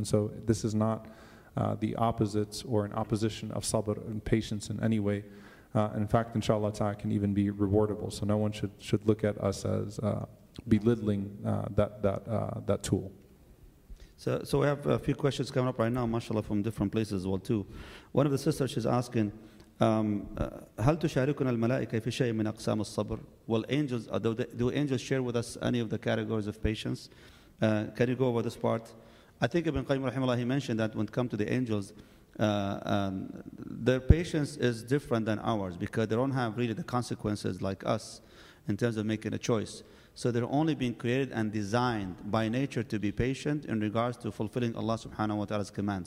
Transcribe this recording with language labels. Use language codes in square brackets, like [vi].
[en] And so this is not the opposite or an opposition of sabr and patience in any way. In fact, inshallah ta'ala, can even be rewardable. So no one should look at us as belittling that tool. So we have a few questions coming up right now, mashallah, from different places as well too. One of the sisters, she's asking, [ar] هل تشاركنا الملائكة في شيء من أقسام الصبر? [en] Will angels, do angels share with us any of the categories of patience? Can you go over this part? I think Ibn Qayyim rahimahullah, he mentioned that when it comes to the angels, their patience is different than ours, because they don't have really the consequences like us in terms of making a choice. So they're only being created and designed by nature to be patient in regards to fulfilling Allah subhanahu wa ta'ala's command.